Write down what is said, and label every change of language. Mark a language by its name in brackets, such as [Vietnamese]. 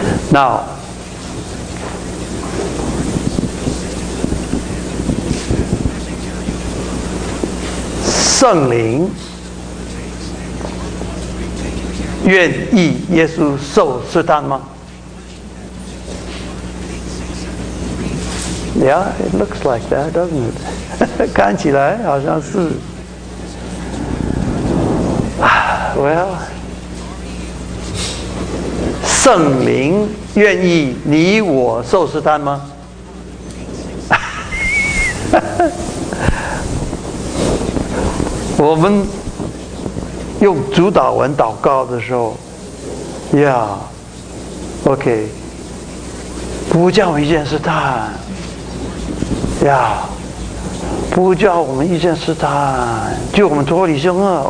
[Chinese] 那圣灵愿意耶稣受试探吗？ [English] Yeah, it looks like that, doesn't it? [Chinese] 看起来好像是。 Well, 圣灵愿意你我受试探吗？我们用主导文祷告的时候 ，Yeah, OK, 不叫我们遇见试探 ，Yeah, 不叫我们遇见试探，救我们脱离凶恶。